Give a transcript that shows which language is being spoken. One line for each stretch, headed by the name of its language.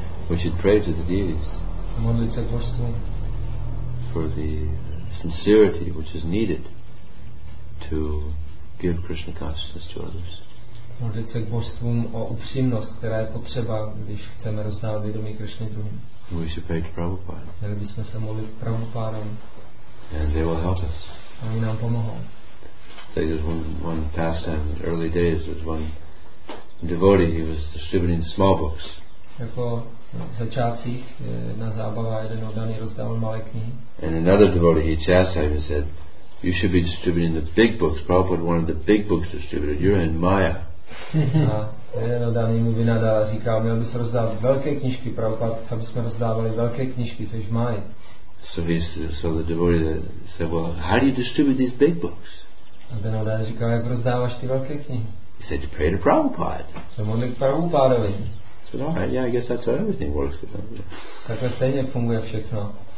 English: We should pray to the deities for the sincerity which is needed to give Krishna consciousness to others.
Czech: Modlit se k božstvům o upřímnost, která je potřeba, když chceme rozdávat vědomí Krishna druhým.
English: We should pray to Prabhupada.
Czech: Měli bychom se modlit Prabhupádem.
English: And they will help us.
Czech: Oni nám pomohou.
English: Say there's one pastime in the early days, there's one devotee, he was distributing small books.
Czech: Jako v začátcích jedna zábava, jeden oddaný rozdával malé knihy.
English: And another devotee, he chastised him and said, you should be distributing the big books. Prabhupada wanted the big books distributed. You're in Maya.
Czech: A jeden oddaný mu vynadal a říkal, měl bys rozdávat velké knížky, Prabhupada, aby jsme rozdávali velké knížky, jsi v Maya.
English: So the devotee said, well, how do you distribute these big books?
Czech: A ten oddaný říkal, jak rozdáváš ty velké knihy?
English: He said, you pray to Prabhupada.
Czech: So modlit k Prabhupádovi.
English: He said, all right, yeah, I guess that's how everything works.
Czech: Takhle stejně funguje všechno.